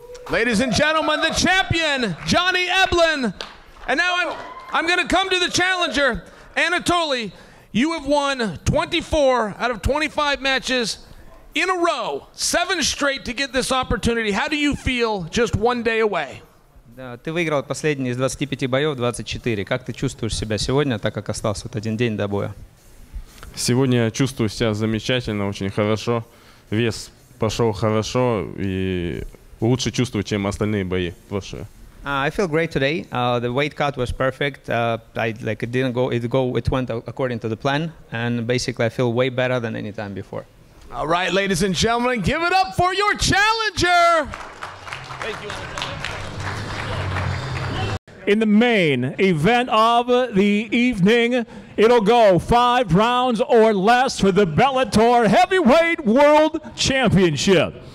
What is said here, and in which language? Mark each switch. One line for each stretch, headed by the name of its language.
English: Ladies and gentlemen, the champion, Johnny Eblen. And now I'm going to come to the challenger, Anatoly. You have won 24 out of 25 matches in a row, seven straight to get this opportunity. How do you feel just one day away?
Russian: Ты выиграл последний из 25 боев 24. Как ты чувствуешь себя сегодня, так как остался вот один день до боя? Сегодня я чувствую себя замечательно, очень хорошо. Вес пошел хорошо и лучше чувствую, чем остальные бои прошлые.
English: I feel great today. The weight cut was perfect. It went according to the plan, and basically I feel way better than any time before. All right, ladies and gentlemen, give it up for your challenger. Thank you. In the main event of the evening, it'll go five rounds or less for the Bellator Heavyweight World Championship.